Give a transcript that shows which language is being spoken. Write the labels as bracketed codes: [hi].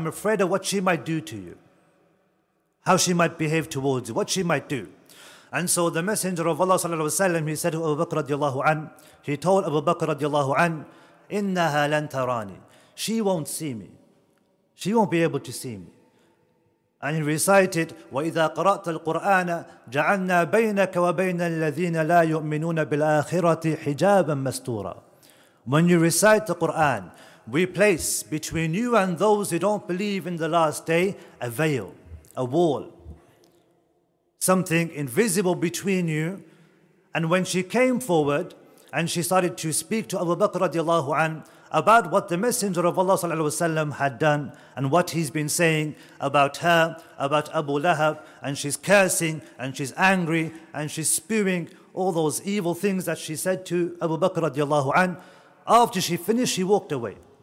[en] I'm afraid of what she might do to you, how she might behave towards you, what she might do." And so the Messenger of Allah sallallahu alayhi wa sallam, he said to Abu Bakr radiallahu anhu, he told Abu Bakr radiallahu anhu, [ar] "Innaha lan tarani." [en] She won't see me. She won't be able to see me. And he recited, [ar] "وَإِذَا قَرَأْتَ الْقُرْآنَ جَعَلْنَا بَيْنَكَ وَبَيْنَ الَّذِينَ لَا يُؤْمِنُونَ بِالْآخِرَةِ حِجَابًا مَسْتُورًا." [en] When you recite the Quran, we place between you and those who don't believe in the last day a veil, a wall, something invisible between you. And when she came forward and she started to speak to Abu Bakr radiallahu anhu about what the Messenger of Allah sallallahu alayhi wa sallam had done and what he's been saying about her, about Abu Lahab, and she's cursing and she's angry and she's spewing all those evil things that she said to Abu Bakr radiallahu anhu, after she finished, she walked away.